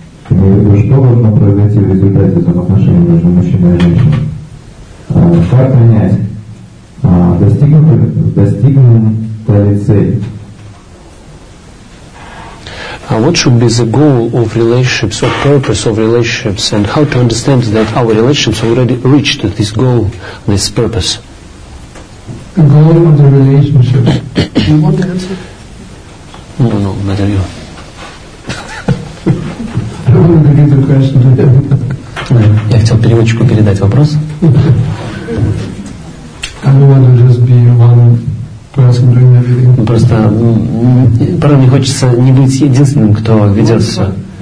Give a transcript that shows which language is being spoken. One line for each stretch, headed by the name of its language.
Russian: Я имею в виду, что должно произойти в результате взаимоотношений между мужчиной и женщиной. Как понять, достигнута ли цель?
English: What should be the goal of relationships, or purpose of relationships, and how to understand that our relationships already reached this goal, this purpose? The goal of the relationship. Do you want to answer? No, better you. I don't want to give the question to him.
Russian: Я хотел переводчику передать вопрос.
English: I don't want to just be one person doing everything.
Russian: Просто, правда, мне хочется не быть единственным, кто ведет все.